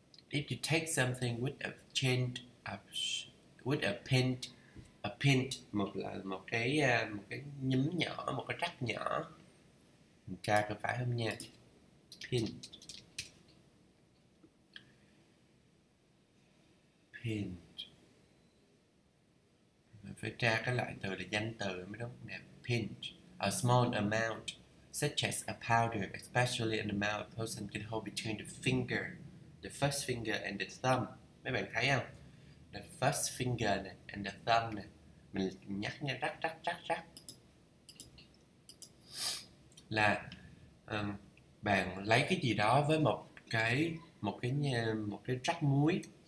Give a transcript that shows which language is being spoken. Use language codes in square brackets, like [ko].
[en] If you take something with a pinch, with a pinch, [vi] một cái nhúm nhỏ, một cái rắc nhỏ. Mình tra có phải không nha? Pinch. [en] Pinch. [vi] Mình phải tra cái loại từ là danh từ mới đúng nè. [en] Pinch. A small amount, such as a powder, especially an amount a person can hold between the first finger and the thumb. [vi] Mấy bạn thấy không? [en] The first finger [vi] này [en] and the thumb [vi] này. Mình nhắc nha, rắc rắc rắc rắc. Là bạn lấy cái gì đó với một cái rắc muối.